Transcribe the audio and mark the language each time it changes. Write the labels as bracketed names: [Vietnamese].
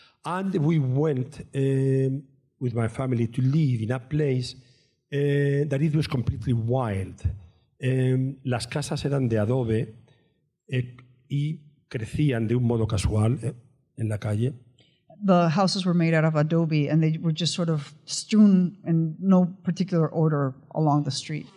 [English] And we went with my family to live in a place that it was completely wild. [Spanish] Las casas eran de adobe y crecían de un modo casual en la calle. [English] The houses were made out of adobe and they were just sort of strewn in no particular order along the street.